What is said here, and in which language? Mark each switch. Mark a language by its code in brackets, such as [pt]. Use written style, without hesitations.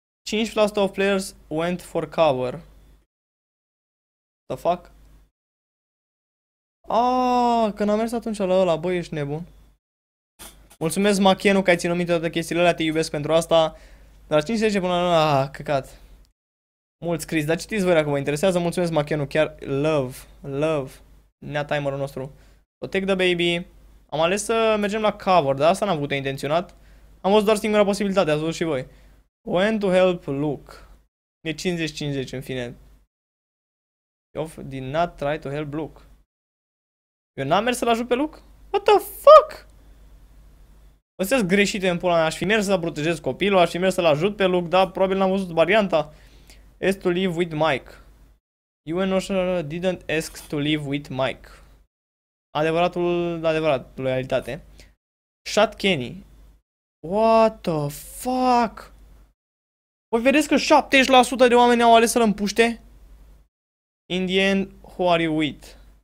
[en] 5% of players went for cover. What the fuck? [ro] Când am mers atunci la ăla, băi, ești nebun. Mulțumesc, Machienu, că ai ținut minte toate chestiile alea, te iubesc pentru asta. Dar 50 până la... Ah, căcat. Mulți scris, dar citiți voi dacă vă interesează. Mulțumesc, Machienu, chiar [en] love, love. [ro] Nea timerul nostru. [en] Protect the baby. [ro] Am ales să mergem la cover, dar asta n-am avut intenționat. Am văzut doar singura posibilitate, ați văzut și voi. [en] When to help Luke. [ro] E 50-50 în fine. [en] You did not try to help Luke. [ro] Eu n-am mers să-l ajut pe Luke? [en] What the fuck? [ro] Astea-s greșite în pula mea. Aș fi mers să-l protejez copilul, aș fi mers să-l ajut pe Luke, dar probabil n-am văzut varianta. [en] Ask to live with Mike. You and Osher didn't ask to live with Mike. [ro] Adevăratul, adevărat, loialitate. [en] Shot Kenny. What the fuck? [ro] Voi vedeți că 70% de oameni au ales să-l împuște? [en] In the end, who are you with?